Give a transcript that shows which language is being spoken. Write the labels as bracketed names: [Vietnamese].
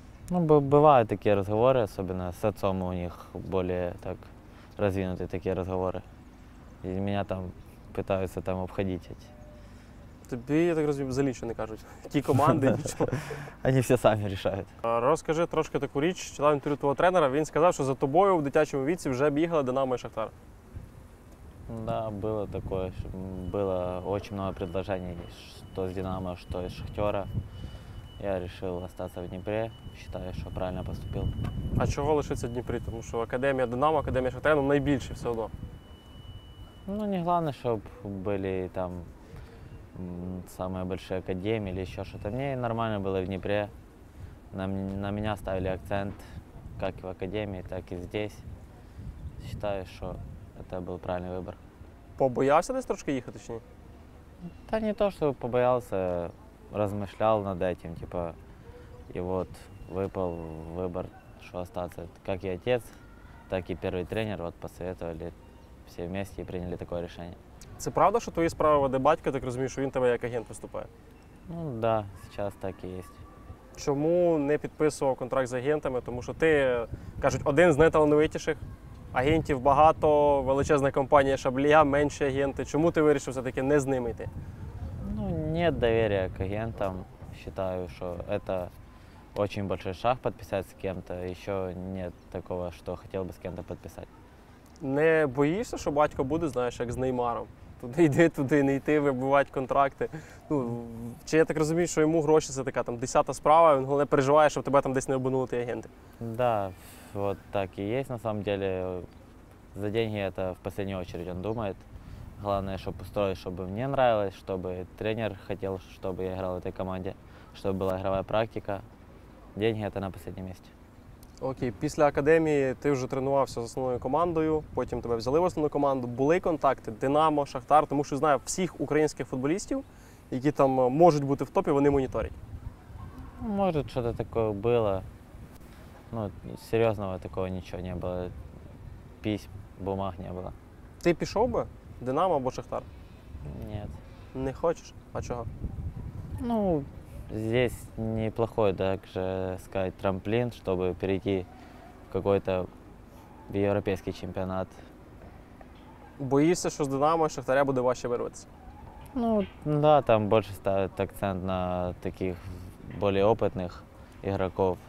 [Ukrainian] Ну, бувають такі розговори, особливо з отцом у них більш так розвинуті такі розговори. І мене там намагаються там обходити. тобі, я так розумію, взагалі нічого не кажуть. Ті команди, нічого. Вони все самі рішають. Розкажи трошки таку річ, читав інтерв'ю твого тренера. Він сказав, що за тобою в дитячому віці вже бігали Динамо і Шахтар. [Russian] Да, было такое, было очень много предложений, что с Динамо, что из Шахтера. Я решил остаться в Днепре, считаю, что правильно поступил. А чего лишиться в Днепре? Потому что Академия Динамо, Академия Шахтера, ну, наибольшие все равно. Ну, не главное, чтобы были там самые большие академии или еще что-то. Мне нормально было в Днепре. На меня ставили акцент, как и в Академии, так и здесь. Считаю, что это был правильный выбор. Побоялся десь трошки ехать, точнее? Да не то, что побоялся, размышлял над этим, типа, и вот выпал выбор, что остаться. Как и отец, так и первый тренер вот посоветовали все вместе и приняли такое решение. [Ukrainian] Це правда, [Russian] что твои [Ukrainian] справа веде батько, так розумію, що він тебе як агент виступає? [Russian] Ну да, сейчас так и есть. [Ukrainian] Чому не підписував контракт з агентами? Тому що ти, кажуть, один з найталановитіших. Агентів багато, величезна компанія Шабля, менші агенти. Чому ти вирішив все-таки не з ними йти? [Russian] Ну, нет доверия к агентам. Считаю, что это очень большой шаг подписать с кем-то. Еще нет такого, что хотел бы с кем-то подписать. Не боишься, что [Ukrainian] батько буде, [Russian] знаешь, как с Неймаром? [Ukrainian] Туди йди, туди не йти, вибивати контракти. Ну, чи я так розумію, що йому гроші – це така там, 10-та справа, він головне переживає, щоб тебе там десь не обманули ті агенти? Так, [Russian] да, вот так і є, на самом деле. [Ukrainian] За деньги це в останню чергу він думає. Головне, щоб устроїти, щоб мені подобалось, щоб тренер хотів, щоб я грав у цій команді, щоб була ігрова практика. Деньги – це на останньому місці. Окей, після академії ти вже тренувався з основною командою, потім тебе взяли в основну команду. Були контакти Динамо, Шахтар, тому що знаю всіх українських футболістів, які там можуть бути в топі, вони моніторять. Може, щось таке було. Ну, серйозного такого нічого не було. Пісьм, бумаг не було. Ти пішов би Динамо або Шахтар? Ні. Не хочеш? А чого? [Russian] Ну, здесь неплохой, так же сказать, трамплин, чтобы перейти в какой-то европейский чемпионат. Боишься, что с Динамо и Шахтаря будет ваще вырваться? Ну да, там больше ставят акцент на таких более опытных игроков.